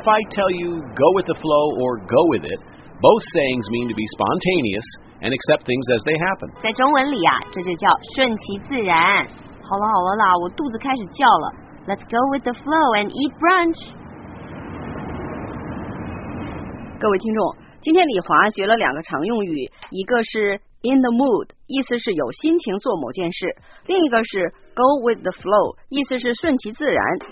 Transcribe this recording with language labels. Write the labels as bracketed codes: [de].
[en] If I tell you go with the flow or go with it, both sayings mean to be spontaneous and accept things as they happen. [zh] 在中文里啊，这就叫顺其自然。好了好了啦，我肚子开始叫了。 [en] Let's go with the flow and eat brunch. [zh] 各位听众，今天李华学了两个常用语，一个是 [en] In the mood, [zh] 意思是有心情做某件事。另一个是 [en] go with the flow, [zh] 意思是顺其自然。